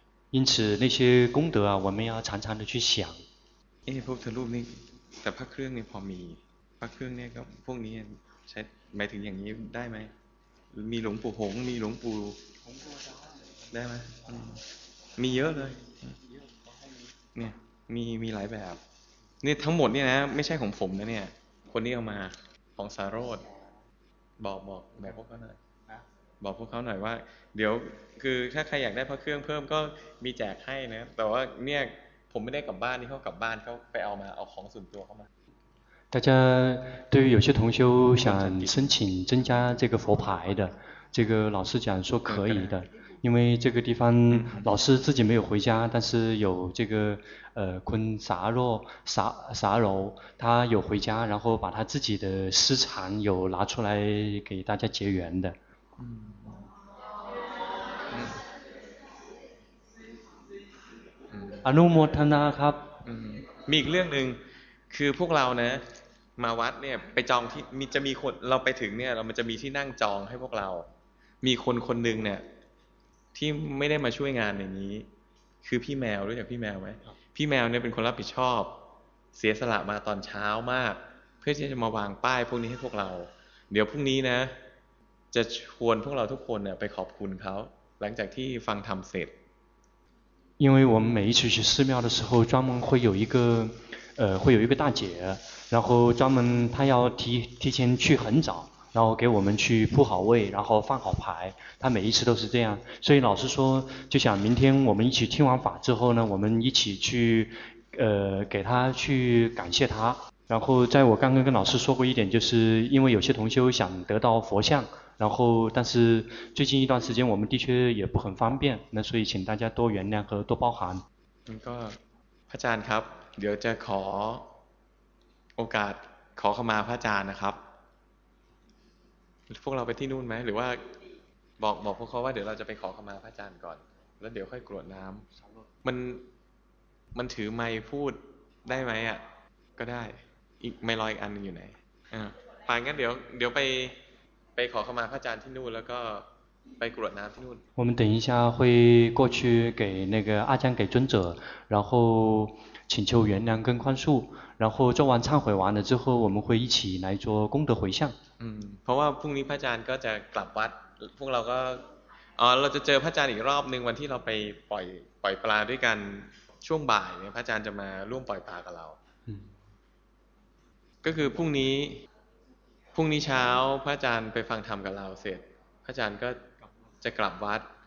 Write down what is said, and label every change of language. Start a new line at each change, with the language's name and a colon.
Chinese: 因此那些功德啊，我们要常常的去想。
Thai: 哎，พระพุทธรูปนี่แต่พระเครื่องนี่พอมีพระเครื่องเนี่ยก็พวกนี้ใช้หมายถึงอย่างนี้ได้ไหมมีหลวงปู่หงมีหลวงปู่ได้ไหมมีเยอะเลย เนี่ยมีหลายแบบนี่ทั้งหมดเนี่ยนะไม่ใช่ของผมนะเนี่ยคนนี้เอามาของสาโรจน์บอกแบบพวกเขาหน่อยบอกพวกเขาหน่อยว่าเดี๋ยวคือถ้าใครอยากได้พระเครื่องเพิ่มก็มีแจกให้นะแต่ว่าเนี่ยผมไม่ได้กลับบ้านนี่เขากลับบ้านเขาไปเอามาเอาของส่วนตัวเขามา
Chinese: 大家对于有些同修想申请增加这个佛牌的这个老师讲说可以的因为这个地方老师自己没有回家但是有这个昆萨柔他有回家然后把他自己的私藏有拿出来给大家结缘的
Thai: อนุโมทนาครับ มีอีกเรื่องนึงคือพวกเราเนี่ยมาวัดเนี่ยไปจองที่มีจะมีคนเราไปถึงเนี่ยเรามันจะมีที่นั่งจองให้พวกเรามีคนคนนึงเนี่ยที่ไม่ได้มาช่วยงานอย่างนี้คือพี่แมวรู้จักพี่แมวไหมพี่แมวเนี่ยเป็นคนรับผิดชอบเสียสละมาตอนเช้ามากเพื่อที่จะมาวางป้ายพวกนี้ให้พวกเราเดี๋ยวพรุ่งนี้นะจะชวนพวกเราทุกคนเนี่ยไปขอบคุณเขาหลังจากที่ฟังธรรมเสร็จ
Chinese: 因为我们每一次去寺庙的时候专门会有一个会有一个大姐然后专门她要提前去很早然后给我们去铺好位，然后放好牌，他每一次都是这样。所以老师说，就想明天我们一起听完法之后呢，我们一起去给他去感谢他。然后在我刚刚跟老师说过一点，就是因为有些同修想得到佛像，然后但是最近一段时间我们的确也不很方便，那所以请大家多原谅和多包涵。
Thai: ก็พระจารย์ครับเดี๋ยวจะขอโอกาสขอเข้ามาพระจารย์นะครับพวกเราไปที่นู่นไหมหรือว่าบอกพวกเขาว่าเดี๋ยวเราจะไปขอเข้ามาพระจารย์ก่อนแล้วเดี๋ยวค่อยกรวดน้ำมันถือไมค์พูดได้ไหมอ่ะก็ได้อีกไม่ลอยอันอยู่ไหนป่านงั้นเดี๋ยวไปขอเข้ามาพระอาจารย์ที่นู่นแล้วก็ไปกรวดน้ำที่นู่น
Chinese: 我们等一下会过去给那个阿江给尊者然后请求原谅跟宽恕然后做完忏悔完了之后我们会一起来做功德回向
Thai: เพราะว่าพรุ่งนี้พระอาจารย์ก็จะกลับวัดพวกเราก็เราจะเจอพระอาจารย์อีกรอบนึงวันที่เราไปปล่อยปลาด้วยกันช่วงบ่ายเนี่ยพระอาจารย์จะมาร่วมปล่อยปลากับเราก็คือพรุ่งนี้เช้าพระอาจารย์ไปฟังธรรมกับเราเสร็จพระอาจารย์ก็จะกลับวัด